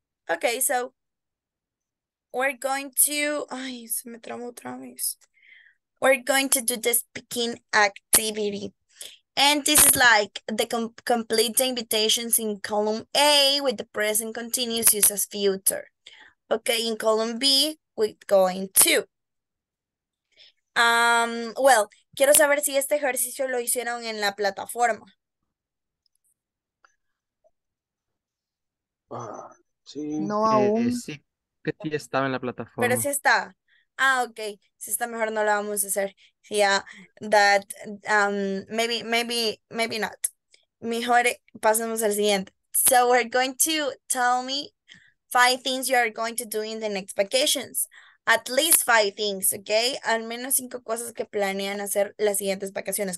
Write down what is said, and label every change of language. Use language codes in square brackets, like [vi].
[en] Okay, so we're going to we're going to do the speaking activity. And this is like the complete invitations in column A with the present continuous use as future. Okay, in column B, we're going to. [es] Well, quiero saber si este ejercicio lo hicieron en la plataforma. Sí. No aún. Sí, que sí estaba en la plataforma. Pero sí está. Ah, okay. Si está mejor, no la vamos a hacer. [en] Yeah, that maybe not. [es] Mejor pasemos al siguiente. [en] So we're going to tell me 5 things you are going to do in the next vacations. At least 5 things, okay? [es] Al menos 5 cosas que planean hacer las siguientes vacaciones.